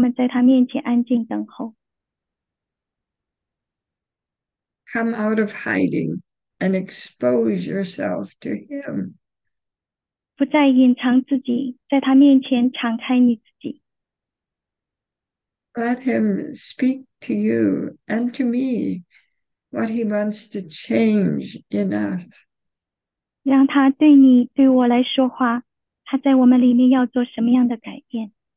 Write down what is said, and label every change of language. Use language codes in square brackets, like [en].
[zh] 主耶稣借着他的灵在这里与我们同在，让我们在他面前安静等候。 [en] Come out of hiding and expose yourself to him. [zh] 不再隐藏自己，在他面前敞开你自己。 [en] Let him speak to you and to me what he wants to change in us. [zh] 让他对你，对我来说话，他在我们里面要做什么样的改变？